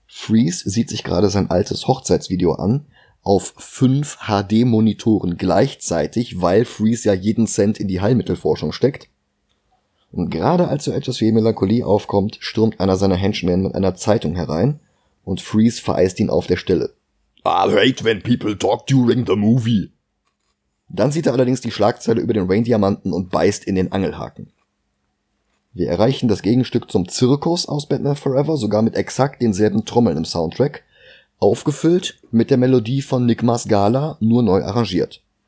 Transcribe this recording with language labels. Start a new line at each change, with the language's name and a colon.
German: Freeze sieht sich gerade sein altes Hochzeitsvideo an, auf 5 HD-Monitoren gleichzeitig, weil Freeze ja jeden Cent in die Heilmittelforschung steckt. Und gerade als so etwas wie Melancholie aufkommt, stürmt einer seiner Henchmen mit einer Zeitung herein und Freeze vereist ihn auf der Stelle.
English: I hate when people talk during the movie.
German: Dann sieht er allerdings die Schlagzeile über den Raindiamanten und beißt in den Angelhaken. Wir erreichen das Gegenstück zum Zirkus aus Batman Forever, sogar mit exakt denselben Trommeln im Soundtrack, aufgefüllt mit der Melodie von Nick Masgala, nur neu arrangiert.